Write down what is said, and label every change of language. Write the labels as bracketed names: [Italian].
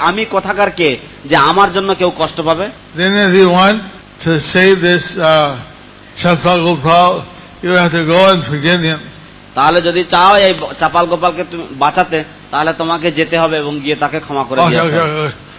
[Bangla] আমি কোথাকার কে যে আমার জন্য কেউ কষ্ট পাবে? [English] Then if you want to save this Chapal Gopal, you have to go and forgive him. [Bangla] তাহলে যদি চাও এই চাপাল গোপালকে তুমি বাঁচাতে, তাহলে তোমাকে যেতে হবে এবং গিয়ে তাকে ক্ষমা করে দিতে হবে।